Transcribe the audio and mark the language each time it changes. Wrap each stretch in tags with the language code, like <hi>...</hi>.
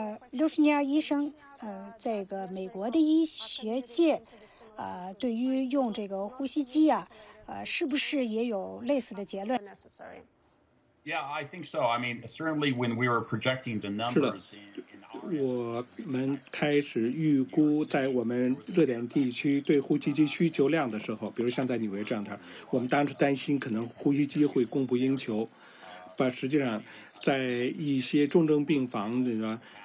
<zh>刘芬妮医生，这个美国的医学界，对于用这个呼吸机啊，是不是也有类似的结论</zh> <en>？Yeah, I think so. I mean, certainly when we were projecting the numbers.</en> <zh>是的，我们开始预估在我们热点地区对呼吸机需求量的时候，比如像在纽约这样的，我们当时担心可能呼吸机会供不应求，但实际上，在一些重症病房里面。</zh>